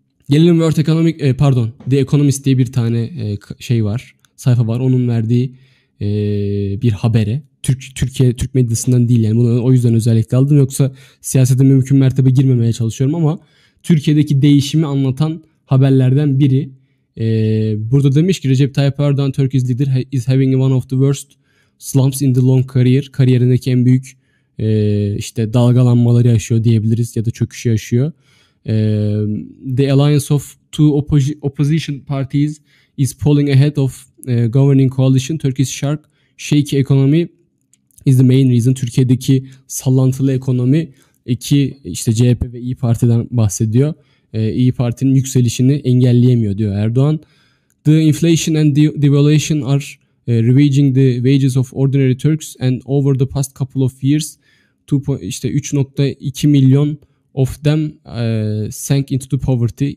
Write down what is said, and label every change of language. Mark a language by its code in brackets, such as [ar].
[tr] Gelelim World Economic... Pardon. The Economist diye bir tane şey var. Sayfa var. Onun verdiği bir habere. Türk medyasından değil yani. Bunu o yüzden özellikle aldım. Yoksa siyasete mümkün mertebe girmemeye çalışıyorum ama Türkiye'deki değişimi anlatan haberlerden biri. Burada demiş ki [en] Recep Tayyip Erdoğan, Turkey's leader is having one of the worst slumps in the long career. [tr] Kariyerindeki en büyük işte dalgalanmaları yaşıyor diyebiliriz, ya da çöküşü yaşıyor. [en] The alliance of two opposition parties is pulling ahead of governing coalition. Turkey's shaky economy is the main reason. [tr] Türkiye'deki sallantılı ekonomi, iki işte CHP ve İYİ Parti'den bahsediyor. İYİ Parti'nin yükselişini engelleyemiyor diyor Erdoğan. [en] The inflation and devaluation are ravaging the wages of ordinary Turks and over the past couple of years 3.2 milyon of them sank into the poverty.